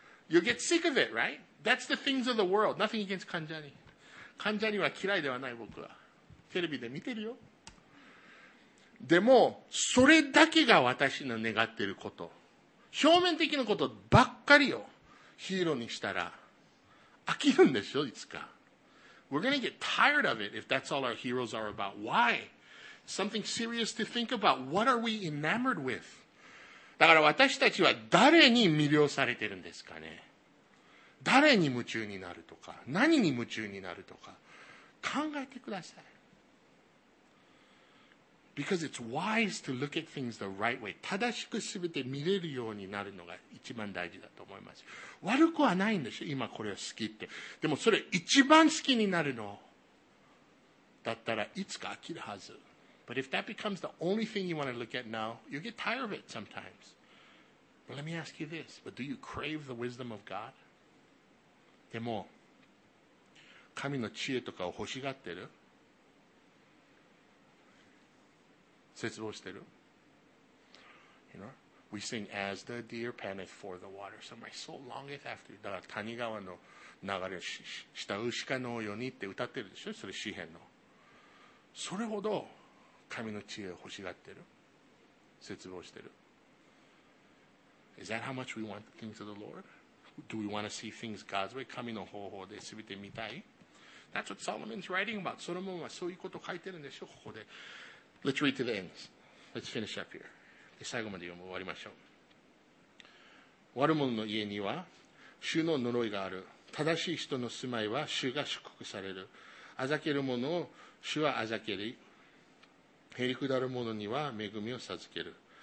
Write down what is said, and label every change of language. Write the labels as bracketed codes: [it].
[en] You get sick of it, right? That's the things of the world. Nothing against カンジャニ。 [ja] カンジャニは嫌いではない僕は。テレビで見てるよ。でも、それだけが私の願ってること。表面的なことばっかりをヒーローにしたら飽きるんでしょいつか。 [en] We're gonna get tired of it if that's all our heroes are about. Why? Something serious to think about. What are we enamored with? [ja] だから私たちは誰に魅了されてるんですかね。誰に夢中になるとか、何に夢中になるとか、考えてください。 [en] Because it's wise to look at things the right way. [ja] 正しくすべて見れるようになるのが一番大事だと思います。悪くはないんでしょ今これを好きって。でもそれ一番好きになるのだったらいつか飽きるはず。 [en] But if that becomes the only thing you want to look at now, you get tired of it sometimes. But let me ask you this. But do you crave the wisdom of God? [ja] でも、神の知恵とかを欲しがってる？絶望してる？ [en] You know, we sing as the deer panteth for the water. So my soul longeth after. [ja] だから谷川の流れをした牛鹿のようにって歌ってるでしょそれ詩編の。それほど、神の知恵を欲しがってる絶望してる [en] Is that how much we want the things of the Lord? Do we want to see things God's way? [ja] 神の方法で全て見たい [en] That's what Solomon's writing about. [ja] ソロモンはそういうこと書いてるんでしょここで [en] Let's read to the end. Let's finish up here. [ja] で最後まで読む終わりましょう悪者の家には主の呪いがある正しい人の住まいは主が祝福されるあざける者を主はあざけるへりくだる者には恵みを授ける。